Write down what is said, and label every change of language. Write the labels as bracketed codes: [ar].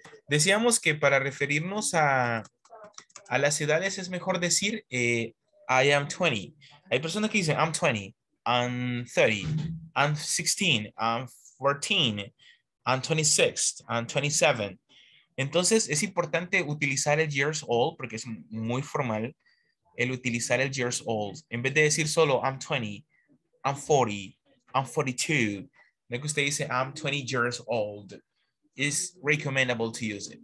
[es] Decíamos que para referirnos a las edades es mejor decir, I am 20. Hay personas que dicen, I'm 20, I'm 30, I'm 16, I'm 14, I'm 26, I'm 27. Entonces, es importante utilizar el years old, porque es muy formal, el utilizar el years old. En vez de decir solo, I'm 20, I'm 40, I'm 42, que usted dice, I'm 20 years old, [en] it's recommendable to use it.